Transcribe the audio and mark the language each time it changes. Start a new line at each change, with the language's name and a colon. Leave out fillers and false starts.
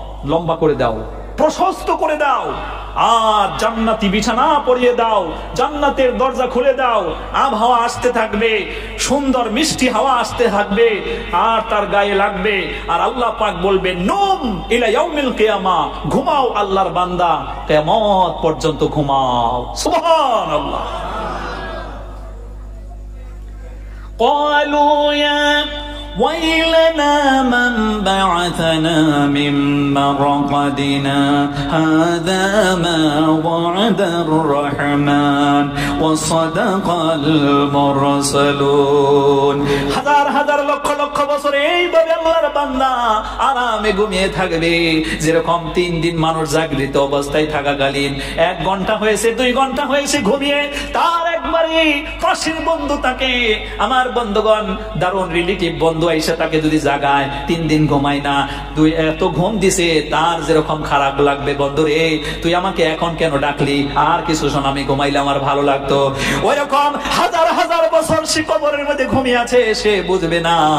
Bangla: লম্বা করে দাও প্রশস্ত করে দাও আর জান্নাতি বিছানা পরিয়ে দাও জান্নাতের দরজা খুলে দাও আবহাওয়া আসতে থাকবে সুন্দর মিষ্টি হাওয়া আসতে থাকবে আর তার গায়ে লাগবে আর আল্লাহ পাক বলবে
Arabic: নুম ইলা ইয়াউমিল কিয়ামা
Bangla: ঘুমাও আল্লাহর বান্দা কিয়ামত পর্যন্ত ঘুমাও সুবহানাল্লাহ
Arabic: ক্বালু ইয়া ويلنا من بعثنا من مرقدنا هذا ما وعد الرحمن وصدق المرسلون
Bangla: হাজার হাজার লক্ষ লক্ষ বছর এইভাবে আল্লাহর বান্দা আরামে ঘুমিয়ে থাকবে যেরকম 3 দিন মানুষ জাগৃত অবস্থায় থাকাকালীন 1 ঘন্টা হয়েছে 2 ঘন্টা হয়েছে ঘুমিয়ে তার একবারই প্রসীম বন্ধু তাকে আমার বন্ধুগণ দারুণ রিলেটিভ বন্ধু আইসা তাকে যদি জাগায় 3 দিন ঘুমায় না তুই এত ঘুম দিছে তার যেরকম খারাপ লাগবে বন্ধু রে তুই আমাকে এখন কেন ডাকলি আর কিছু শোন আমি ঘুমাইলে আমার ভালো লাগতো ওইরকম হাজার হাজার বছর সে কবরের মধ্যে ঘুমিয়ে আছে সে বুঝবে না